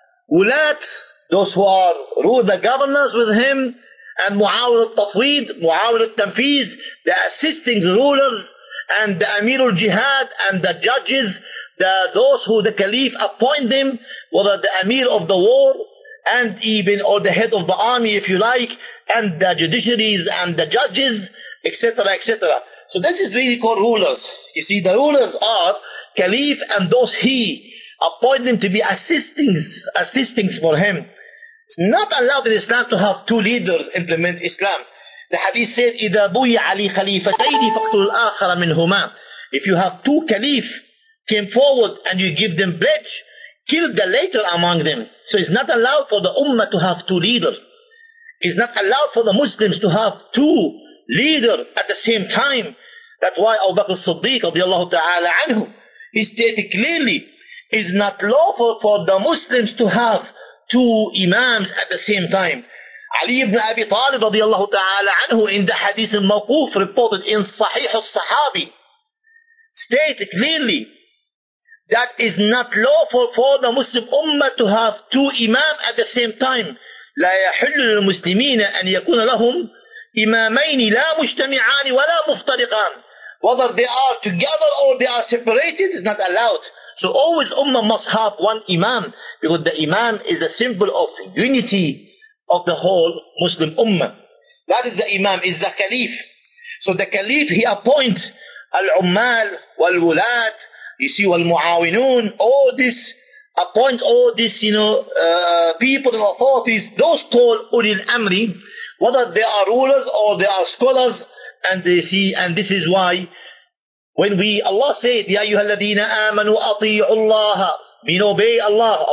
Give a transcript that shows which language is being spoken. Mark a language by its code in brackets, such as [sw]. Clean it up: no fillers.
[en] ulat, those who are rule the governors with him, and Mu'awir al-Tafweed, Mu'awir al-Tanfiz, the assisting rulers, and the Amir al-Jihad, and the judges, the those who the Caliph appoint them, whether the Amir of the war, and even, or the head of the army if you like, and the judiciaries, and the judges, etc., etc. So this is really called rulers. You see, the rulers are Caliph and those he appoint them to be assistings for him. It's not allowed in Islam to have two leaders implement Islam. The hadith said, [ar] إِذَا بُيِّعَ لِي خَلِيفَتَيْنِ فَقْتُلُ الْآخَرَ مِنْهُمَا. [en] If you have two caliph came forward and you give them pledge, kill the later among them. So it's not allowed for the ummah to have two leaders. It's not allowed for the Muslims to have two leaders at the same time. That's why Abu Bakr al-Siddiq radiallahu ta'ala anhu, he stated clearly, is not lawful for the Muslims to have two imams at the same time. Ali ibn Abi Talib radiallahu ta'ala anhu in the hadith al-Mawquf reported in Sahih al-Sahabi stated clearly that is not lawful for the Muslim ummah to have two imams at the same time. [ar] لا يحل للمسلمين أن يكون لهم إمامين لا مجتمعان ولا مفترقان. [en] Whether they are together or they are separated is not allowed. So always Ummah must have one Imam, because the Imam is a symbol of unity of the whole Muslim Ummah. That is the Imam, is the Caliph. So the Caliph, he appoints Al-Ummal, Wal-Wulat, you see, Wal-Mu'awinun, all this, appoint all these, you know, people and authorities, those called Ulil Amri, whether they are rulers or they are scholars, and they see, and this is why, when we, Allah said, [ar] يَا أَيُّهَا الَّذِينَ آمَنُوا أَطِيعُوا اللَّهَ, [en] mean obey Allah.